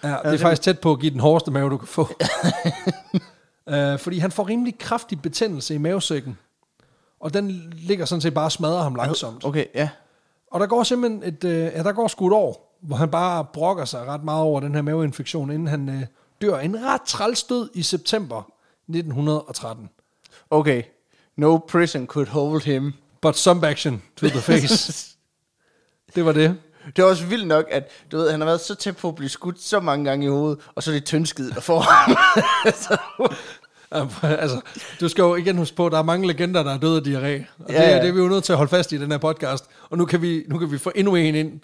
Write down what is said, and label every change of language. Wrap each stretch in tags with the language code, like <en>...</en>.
<da>Ja, det er faktisk tæt på at give den hårdeste mave, du kan få. fordi han får rimelig kraftig betændelse i mavesækken. Og den ligger sådan set bare og smadrer ham langsomt. Okay, ja. Og der går simpelthen sgu et år, hvor han bare brokker sig ret meget over den her maveinfektion, inden han dør en ret træls død i september 1913.</da> <en>Okay, no prison could hold him. But some action to the face.</en> <da>Det var det. Det er også vildt nok, at du ved, han har været så tæt på at blive skudt så mange gange i hovedet, og så er det tyndskid, der får ham. Altså, du skal jo igen huske på, at der er mange legender, der er døde af diarré. Og det er vi jo nødt til at holde fast i den her podcast. Og nu kan vi få endnu en ind.</da>